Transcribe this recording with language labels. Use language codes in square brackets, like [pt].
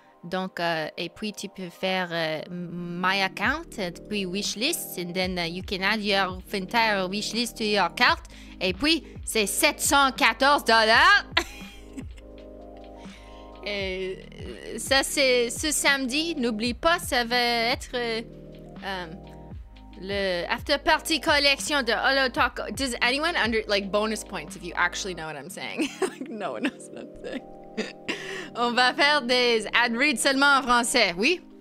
[fr] Donc, et puis tu peux faire [en] my account, [fr] et puis [en] wish list, and then you can add your entire wish list to your cart. [fr] Et puis, c'est $714. Et ça, c'est ce samedi. N'oublie pas, ça va être Le [en] after party collection [fr] de Holo Taco. [en] Does anyone under, like, bonus points if you actually know what I'm saying? Like, no one knows what I'm saying. [fr] On va faire des ad reads seulement en français, oui?